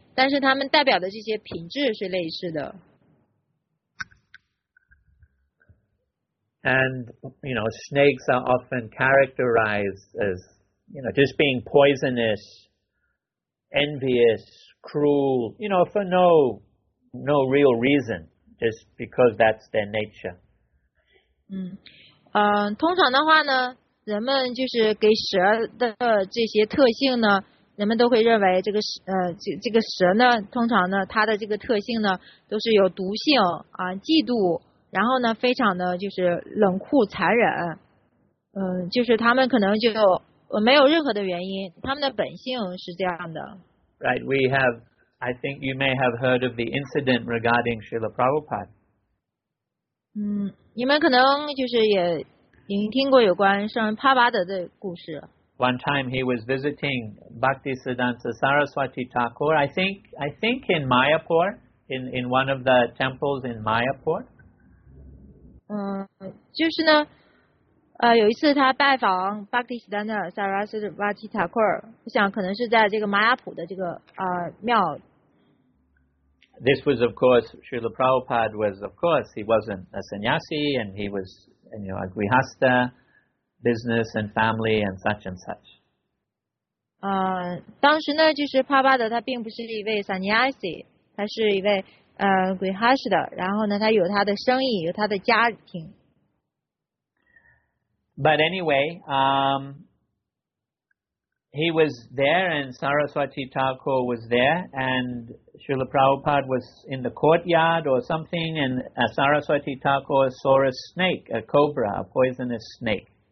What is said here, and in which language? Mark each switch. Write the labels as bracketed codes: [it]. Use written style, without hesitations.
[zh] 但是他们代表的这些品质是类似的。 [en] And, you know, snakes are often characterized as, you know, just being poisonous, envious, cruel, you know, for no real reason, just because that's their nature. [zh] 通常的话呢，人们就是给蛇的这些特性呢，人们都会认为这个蛇呢，通常呢，它的这个特性呢，都是有毒性嫉妒，然后呢，非常的就是冷酷残忍，就是他们可能就没有任何的原因，他们的本性是这样的。 [en] Right, we have. I think you may have heard of the incident regarding Srila Prabhupada. [zh] 你们可能就是也已经听过有关圣帕巴德的故事。 [en] One time he was visiting Bhaktisiddhanta Saraswati Thakur, I think in Mayapur, in one of the temples in Mayapur. [zh] 就是呢，有一次他拜访 Bhaktisiddhanta Saraswati Thakur, 我想可能是在这个 Mayapur 的这个庙。 [en] This was, of course, Srila Prabhupada was, of course, he wasn't a sannyasi and he was, you know, a grihastha. Business and family and such and such. [zh] 当时呢，就是帕巴德他并不是一位 sannyasi， 他是一位grihastha的。然后呢，他有他的生意，有他的家庭。 But anyway, [en] he was there and Saraswati Thakur was there and Srila Prabhupada was in the courtyard or something and Saraswati Thakur saw a snake, a cobra, a poisonous snake.